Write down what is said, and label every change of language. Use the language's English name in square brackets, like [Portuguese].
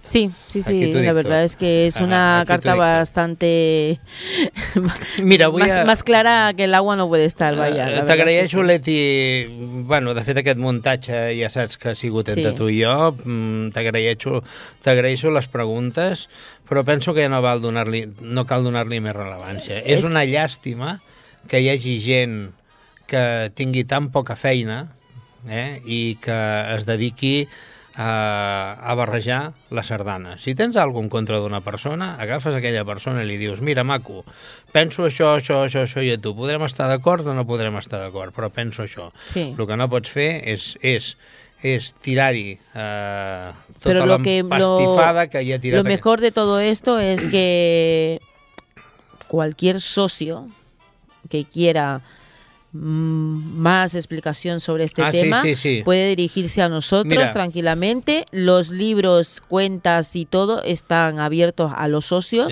[Spanish] Sí, sí, sí, la verdad es que es una carta bastante... [Catalan] Mira, avui... [Spanish] Más clara que el agua no puede estar, vaya. [Catalan] T'agraeixo, Leti, bueno, de fet aquest muntatge ja saps que ha sigut entre tu i jo. T'agraeixo les preguntes, però penso que ja no cal donar-li més rellevància. És una llàstima que hi hagi gent que tingui tan poca feina i que es dediqui a barrejar la sardana. Si tens alguna cosa contra d'una persona, agafes aquella persona i li dius: mira, maco, penso això, això, això, això i a tu. Podrem estar d'acord o no podrem estar d'acord, però penso això. Sí. El que no pots fer és tirar-hi tota l'empastifada que hi ha tirat. [Spanish] Lo mejor de todo esto es que cualquier socio que quiera más explicación sobre este tema, sí. Puede dirigirse a nosotros. Mira, tranquilamente, los libros, cuentas y todo están abiertos a los socios,